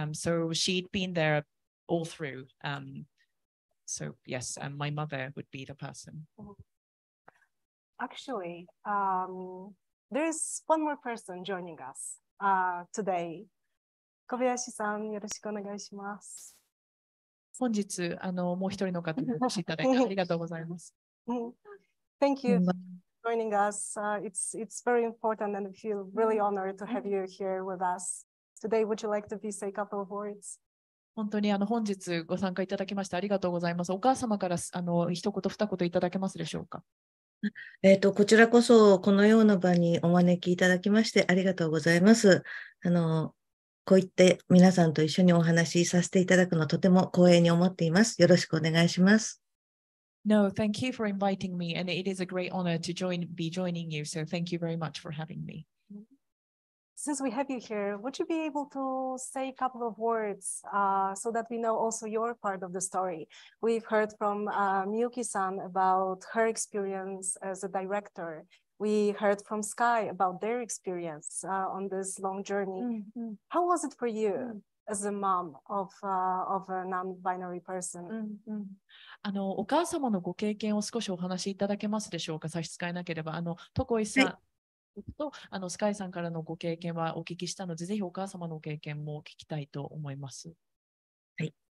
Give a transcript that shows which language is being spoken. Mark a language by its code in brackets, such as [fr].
[en] So she'd been there all through. So, my mother would be the person. Actually, there is one more person joining us today. [ja] Kobayashi-san, yoroshiku onegaishimasu. 本日もう一人の方にお越しいただいてありがとうございます。 [en] Thank you for joining us. It's very important and I feel really honored to have you here with us. Today, would you like to be say a couple of words? [ja] 本当に本日ご参加いただきましてありがとうございます。お母様から一言二言いただけますでしょうか。こちらこそこのような場にお招きいただきましてありがとうございます。こう言って皆さんと一緒にお話しさせていただくのとても光栄に思っています。よろしくお願いします。 [en] No, thank you for inviting me and it is a great honor to be joining you. So thank you very much for having me. Since we have you here, would you be able to say a couple of words so that we know also your part of the story? We've heard from Miyuki-san about her experience as a director. We heard from Sky about their experience on this long journey. Mm-hmm. How was it for you as a mom of a non-binary person? [ja] お母様のご経験を少しお話しいただけますでしょうか、差し支えなければ。トコイさん、はい、とスカイさんからのご経験はお聞きしたので、ぜひお母様の経験も聞きたいと思います。はい。